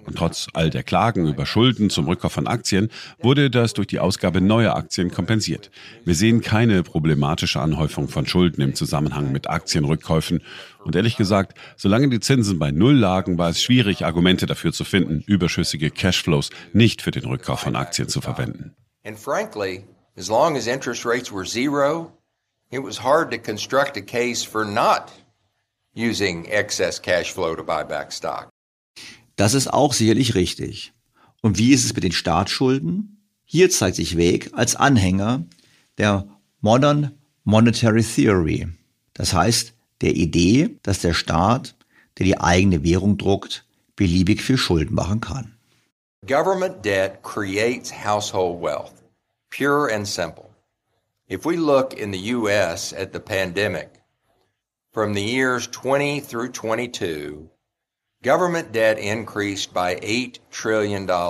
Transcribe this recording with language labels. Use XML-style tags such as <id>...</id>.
<de>Und trotz all der Klagen über Schulden zum Rückkauf von Aktien wurde das durch die Ausgabe neuer Aktien kompensiert. Wir sehen keine problematische Anhäufung von Schulden im Zusammenhang mit Aktienrückkäufen. Und ehrlich gesagt, solange die Zinsen bei Null lagen, war es schwierig, Argumente dafür zu finden, überschüssige Cashflows nicht für den Rückkauf von Aktien zu verwenden.</de> <en>And frankly, as long as interest rates were zero, it was hard to construct a case for not using excess cash flow to buy back stock.</en> <de>Das ist auch sicherlich richtig. Und wie ist es mit den Staatsschulden? Hier zeigt sich Wake als Anhänger der Modern Monetary Theory. Das heißt, der Idee, dass der Staat, der die eigene Währung druckt, beliebig viel Schulden machen kann.</de> <en>Government debt creates household wealth, pure and simple. If we look in the US at the pandemic, from the years 20 through 22, government debt increased by $8 trillion.</en>